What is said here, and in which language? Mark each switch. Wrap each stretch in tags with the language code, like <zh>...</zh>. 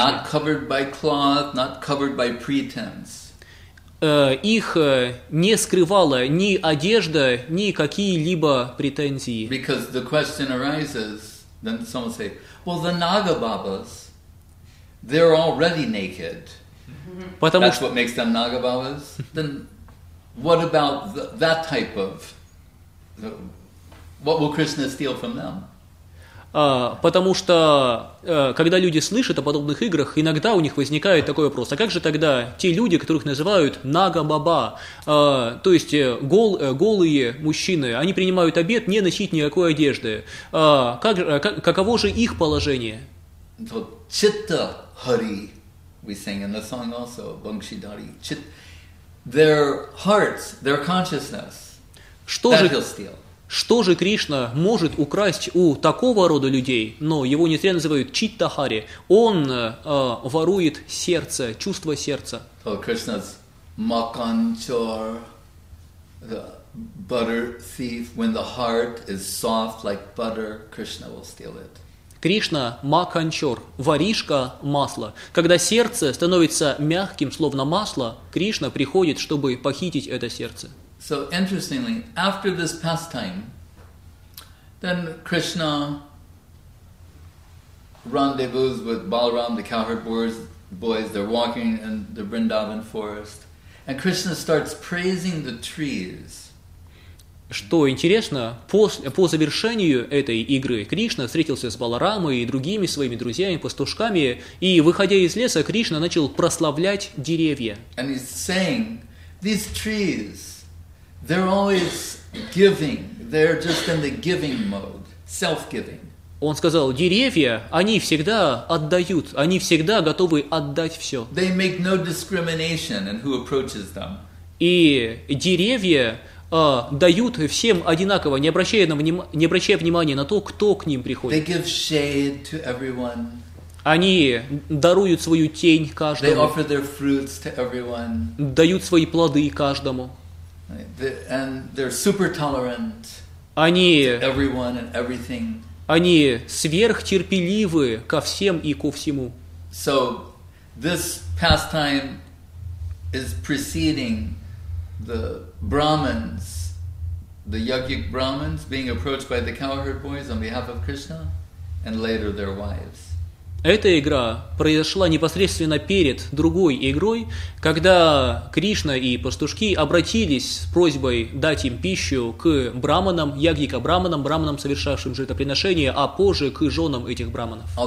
<en>Not covered by cloth, not covered by pretense.</en> <ru>Их не скрывала ни одежда, ни какие-либо претензии.</ru> <en>Because the question arises, then someone say, well, the Nagababas, they're already naked.</en> <ru>Потому</ru> <en>That's what makes them Nagababas. Then what about that type of? What will Krishna steal from them?</en> <ru>Потому что когда люди слышат о подобных играх, иногда у них возникает такой вопрос: а как же тогда те люди, которых называют Нагабаба, то есть голые мужчины, они принимают обет не носить никакой одежды? Каково же их положение?</ru> <en>So, Chitta Hari. We sang in the song also, Bangshi Dari. Their hearts, their consciousness.</en> <ru>Что же Кришна может украсть у такого рода людей? Но его не зря называют Читтахари. Он ворует сердце, чувство сердца.</ru> <en>So Krishna's Makanchor, the butter thief. When the heart is soft like butter, Krishna will steal it.</en> <ru>Кришна Маканчор, воришка масла. Когда сердце становится мягким, словно масло, Кришна приходит, чтобы похитить это сердце.</ru> <en>So interestingly, after this pastime, then Krishna rendezvous with Balaram, the cowherd boys. They're walking in the Vrindavan forest, and Krishna starts praising the trees.</en> <ru>Что интересно, по завершению этой игры Кришна встретился с Баларамой и другими своими друзьями, пастушками, и, выходя из леса, Кришна начал прославлять деревья.</ru> <en>And he's saying, these trees, they're always giving, they're just in the giving mode, self-giving.</en> <ru>Он сказал, деревья, они всегда отдают, они всегда готовы отдать все.</ru> <en>They make no discrimination in who approaches them.</en> <ru>И деревья... дают всем одинаково, не обращая внимания на то, кто к ним приходит.</ru> <en>They give shade to everyone.</en> <ru>Они даруют свою тень каждому.</ru> <en>They offer their fruits to everyone.</en> <ru>Дают свои плоды каждому.</ru> <en>And they're super tolerant.</en> <ru>Они</ru> <en>to everyone and everything.</en> <ru>Они сверхтерпеливы ко всем и ко всему.</ru> <en>So this pastime is preceding the Brahmins, the yogic Brahmins being approached by the cowherd boys on behalf of Krishna, and later their wives.</en> <ru>Эта игра произошла непосредственно перед другой игрой, когда Кришна и пастушки обратились с просьбой дать им пищу к браманам, ягьика-браманам, браманам, совершавшим жертвоприношение, а позже к женам этих браманов.</ru>